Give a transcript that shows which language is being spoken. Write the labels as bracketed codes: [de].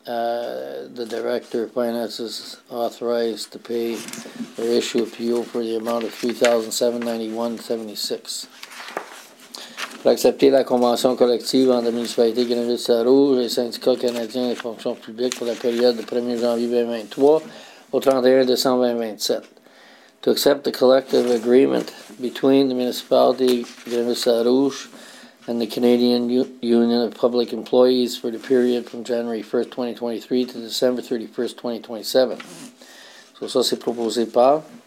[en] The Director of Finance is authorized to pay or issue a PO for the amount of $3,791.76. [fr] Pour accepter la convention collective entre la municipalité de Grenville-Saint-Rouge et syndicat canadien des fonctions publiques pour la période de 1er janvier 2023 au 31 décembre 2027. [en] To accept the collective agreement between the municipality Grenville-Saint-Rouge and the Canadian Union of Public Employees for the period from January 1st, 2023 to December 31st, 2027. So, [fr] ça, c'est proposé par.